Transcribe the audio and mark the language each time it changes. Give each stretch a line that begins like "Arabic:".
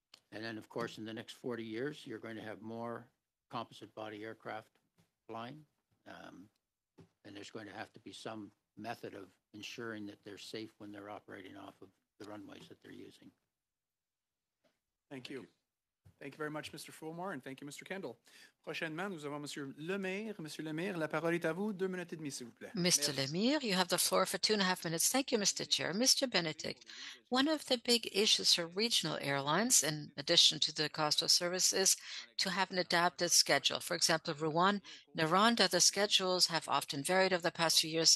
English: And then, of course, in the next 40 years, you're going to have more composite body aircraft flying. And there's going to have to be some method of ensuring that they're safe when they're operating off of the runways that they're using. Thank you. Thank you very much, Mr. Fulmore, and thank you, Mr. Kendall.
French: Prochainement, nous avons Monsieur Lemire. Monsieur Lemire, la parole est à vous. 2 minutes et demie, s'il vous plaît.
English: Mr. Lemire, you have the floor for 2.5 minutes. Thank you, Mr. Chair. Mr. Benedict, one of the big issues for regional airlines, in addition to the cost of service, is to have an adapted schedule. For example, Rouen, Naranda, the schedules have often varied over the past few years.